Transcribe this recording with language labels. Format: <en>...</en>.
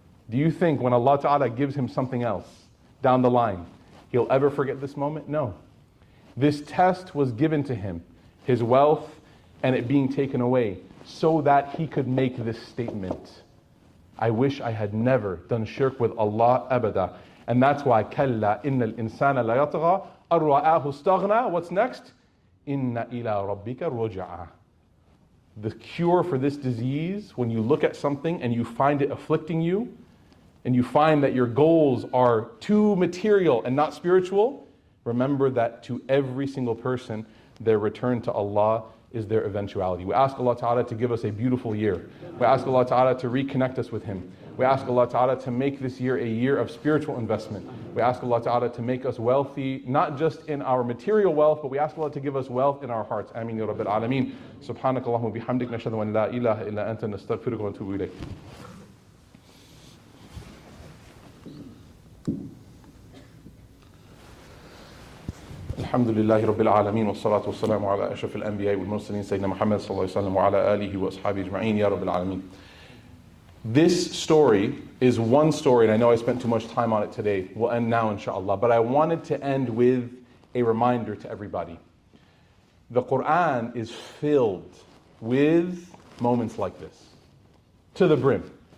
<en>Do you think when Allah Ta'ala gives him something else down the line, he'll ever forget this moment? No. This test was given to him, his wealth and it being taken away, so that he could make this statement, "I wish I had never done shirk with Allah abada." And that's why,</en> <ar>كَلَّا إِنَّ الْإِنسَانَ لَيَطْغَى أَرْوَآهُ اسْتَغْنَى.</ar> <en>What's next?</en> <ar>إِنَّ إِلَىٰ رَبِّكَ رُجَعَى.</ar> <en>The cure for this disease, when you look at something and you find it afflicting you, and you find that your goals are too material and not spiritual, remember that to every single person, their return to Allah is their eventuality. We ask Allah Ta'ala to give us a beautiful year. We ask Allah Ta'ala to reconnect us with Him. We ask Allah Ta'ala to make this year a year of spiritual investment. We ask Allah Ta'ala to make us wealthy, not just in our material wealth, but we ask Allah to give us wealth in our hearts.</en> <ar>Ameen ya Rabbil Alameen. Subhanakallahumma bihamdik, nashhadu an la ilaha illa anta, nastaghfiruka wa natubu ilayk. الحمد لله رب العالمين والصلاة والسلام على أشرف الأنبياء والمرسلين سيدنا محمد صلى الله عليه وسلم وعلى آله وأصحابه أجمعين يا رب العالمين.</ar> <en>This story is one story, and I know I spent too much time on it today. We'll end now, inshallah. But I wanted to end with a reminder to everybody. The Quran is filled with moments like this, to the brim.</en>